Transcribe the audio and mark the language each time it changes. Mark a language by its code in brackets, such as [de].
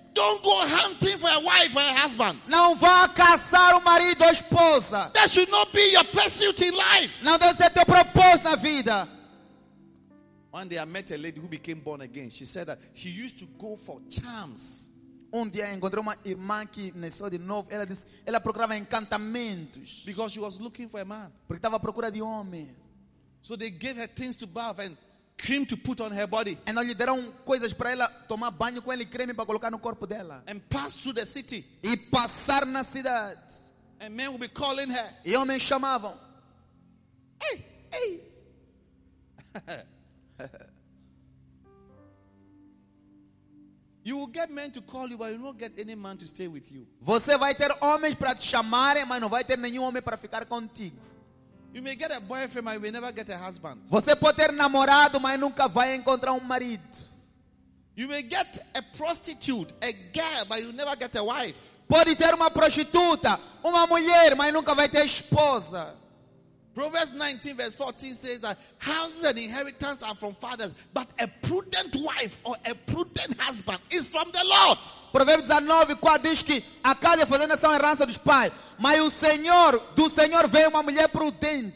[en] Don't go hunting for a wife or a husband. [pt] Não vá caçar o marido ou esposa. [en] That should not be your pursuit in life. [pt] Não deve ser teu propósito na vida. [en] One day I met a lady who became born again. She said that she used to go for charms. [pt] Um dia encontrei uma irmã que nasceu de novo. Ela disse, ela procurava encantamentos. [en] Because she was looking for a man. [pt] Porque estava à procura de homem. [en] So they gave her things to bath and cream to put on her body. [pt] E lhe deram coisas para ela tomar banho com ele, creme para colocar no corpo dela. [en] And pass through the city. [pt] E passar na cidade. [en] And men would be calling her. [pt] E homens chamavam. Ei, ei. [en] You will get men to call you, but you won't get any man to stay with you. [pt] Você vai ter homens para te chamarem, mas não vai ter nenhum homem para ficar contigo. [en] You may get a boyfriend, but you may never get a husband. [pt] Você pode ter namorado, mas nunca vai encontrar marido. [en] You may get a prostitute, a girl, but you never get a wife. [pt] Pode ter uma prostituta, uma mulher, mas nunca vai ter esposa. [en] Proverbs 19 verse 14 says that houses and inheritance are from fathers, but a prudent wife or a prudent husband is from the Lord. [pt] Provérbios 19, 4 diz que a casa e a fazenda são herança dos pais, mas o Senhor, do Senhor vem uma mulher prudente.